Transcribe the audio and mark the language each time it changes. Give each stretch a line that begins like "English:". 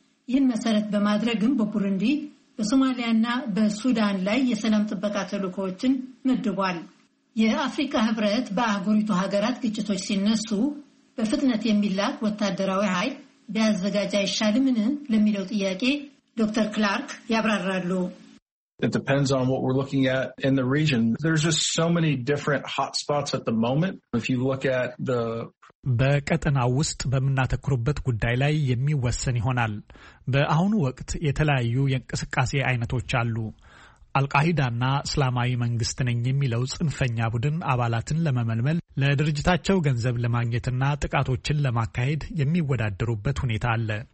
Amharic: ይህን መሰረት በማድረግም በቡሩንዲ፣ በሶማሊያና በሱዳን ላይ የሰላም ጥበቃ ተልዕኮዎችን መድቧል። የአፍሪካ ህብረት በአህጉሪቱ ሀገራት ግጭቶች ሲነሱ በፍጥነት የሚላክ ወታደራዊ ኃይል ቢያዘጋጅ አይሻልምን ለሚለው ጥያቄ ዶክተር ክላርክ ያብራራሉ።
English: It depends on what we're looking at in the region. There's just so many different hot spots at the moment. If you look at the
Amharic: በቀጠናው ውስጥ በመናተክሩበት ጉዳይ ላይ የሚወሰን ይሆናል። በአሁኑ ወቅት የተለያዩ የንቅስቃሴ አይነቶች አሉ። አልቃሂዳ እና እስላማዊ መንግስት ነኝ የሚለው ጽንፈኛ ቡድን አባላትን ለመመልመል ለድርጅታቸው ገንዘብ ለማግኘትና ጥቃቶችን ለማካሄድ የሚወዳደሩበት ሁኔታ አለ።